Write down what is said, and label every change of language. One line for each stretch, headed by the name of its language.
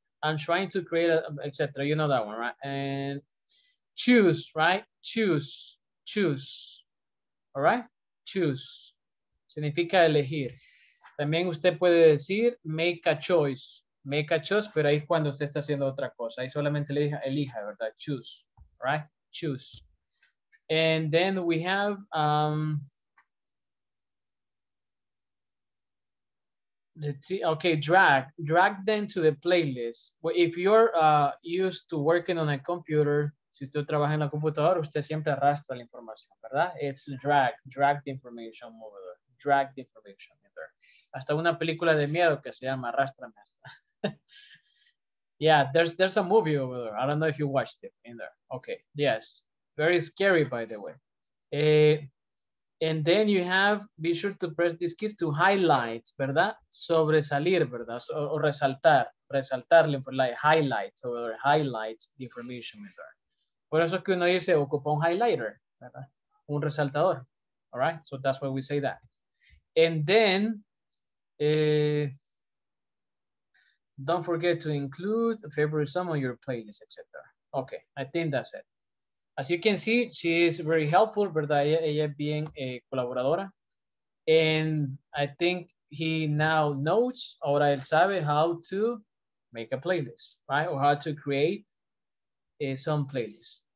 English: I'm trying to create, etc. You know that one, right? And choose, right? Choose. All right? Choose.
Spanish: Significa elegir. También usted puede decir,
English: make a choice. Make a choice,
Spanish: pero ahí es cuando usted está haciendo otra cosa. Ahí solamente le dice, elija, ¿verdad?
English: Choose. All right? Choose. And then we have, let's see, okay, drag them to the playlist. Well, if you're used to working on a computer,
Spanish: si tú trabajas en la computadora, usted siempre arrastra la información, ¿verdad?
English: It's drag the information over there. Drag the information over there.
Spanish: Hasta una película de miedo que se llama Arrastrame hasta.
English: Yeah, there's a movie over there. I don't know if you watched it in there. Okay, yes. Very scary, by the way. And then you have, be sure to press these keys to highlight,
Spanish: ¿verdad? Sobresalir, ¿verdad? O resaltar. Resaltar,
English: like highlight over there. Highlight the information over there.
Spanish: Por eso es que uno dice, ocupa un highlighter, ¿verdad? Un resaltador.
English: All right? So that's why we say that. And then, don't forget to include favorite song on your playlist, etc. Okay, I think that's it. As you can see, she is very helpful,
Spanish: ¿verdad?
English: Ella being a colaboradora. And I think he now knows,
Spanish: ahora él sabe
English: how to make a playlist, right? Or how to create some playlist.